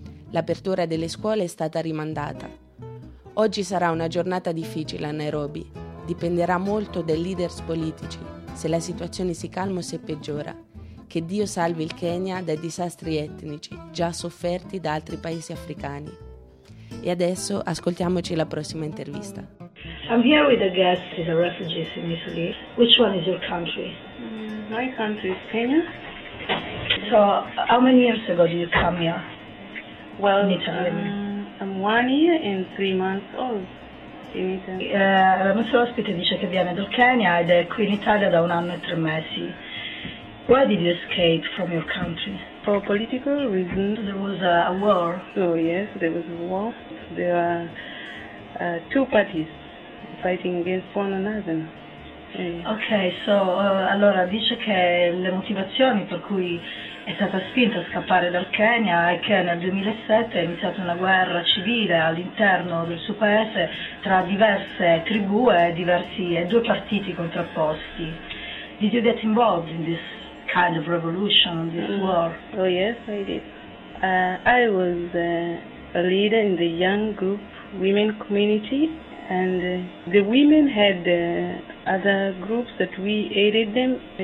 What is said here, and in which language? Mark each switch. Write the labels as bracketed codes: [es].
[it] L'apertura delle scuole è stata rimandata. Oggi sarà una giornata difficile a Nairobi. Dipenderà molto dai leader politici, se la situazione si calma o se peggiora. Che Dio salvi il Kenya dai disastri etnici, già sofferti da altri paesi africani. E adesso ascoltiamoci la prossima intervista. [en] I'm here with the guests, the refugees in Italy. Which one is your country? My country is Kenya. So, how many years ago did you come here? Well, I'm 1 year and 3 months old in Italy. [it] La nostra ospite dice che viene dal Kenya ed è qui in Italia da 1 anno e 3 mesi. [en] Why did you escape from your country? For political reasons. There was a war. Oh yes, there was a war. There are two parties fighting against one another. Okay, so [it] allora dice che le motivazioni per cui è stata spinta a scappare dal Kenya è che nel 2007 è iniziata una guerra civile all'interno del suo paese tra diverse tribù e due partiti contrapposti. [en] Did you get involved in this kind of revolution, this war? Oh yes, I did. I was a leader in the young group women community, and the women had other groups that we aided them.